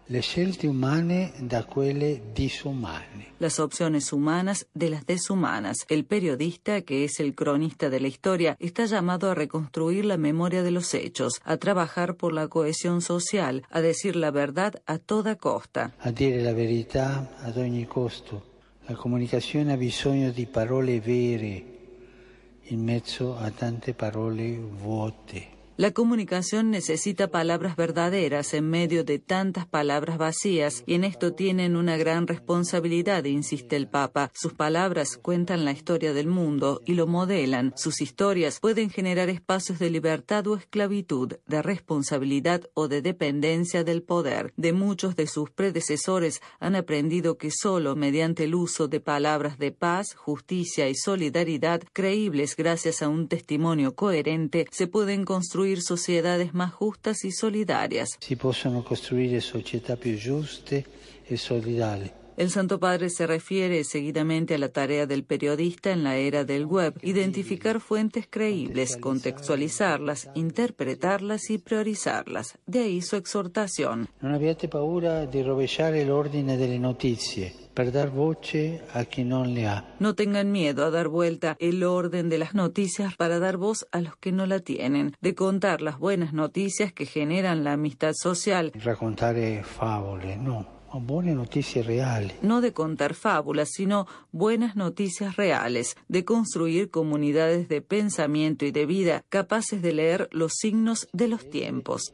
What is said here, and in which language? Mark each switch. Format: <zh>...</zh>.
<it>Le scelte umane da quelle disumane.</it> <es>Las opciones humanas de las deshumanas. El periodista, que es el cronista de la historia, está llamado a reconstruir la memoria de los hechos, a trabajar por la cohesión social, a decir la verdad a toda costa.</es> <it>A dire la verità ad ogni costo. La comunicazione ha bisogno di parole vere in mezzo a tante parole vuote.</it> <es>La comunicación necesita palabras verdaderas en medio de tantas palabras vacías, y en esto tienen una gran responsabilidad, insiste el Papa. Sus palabras cuentan la historia del mundo y lo modelan. Sus historias pueden generar espacios de libertad o esclavitud, de responsabilidad o de dependencia del poder. De muchos de sus predecesores han aprendido que solo mediante el uso de palabras de paz, justicia y solidaridad, creíbles gracias a un testimonio coherente, se pueden construir sociedades más justas y solidarias.</es> <it>Si possono costruire società più giuste e solidali.</it> <es>El Santo Padre se refiere seguidamente a la tarea del periodista en la era del web, identificar fuentes creíbles, contextualizarlas, interpretarlas y priorizarlas. De ahí su exhortación.</es> <it>No abbiate paura di rovesciare l'ordine delle notizie. Per dar voce a chi non le ha.</it> <es>No tengan miedo a dar vuelta el orden de las noticias para dar voz a los que no la tienen, de contar las buenas noticias que generan la amistad social.</es> <it>Raccontare favole, no. Buone notizie reali.</it> <es>No de contar fábulas, sino buenas noticias reales, de construir comunidades de pensamiento y de vida capaces de leer los signos de los tiempos.</es>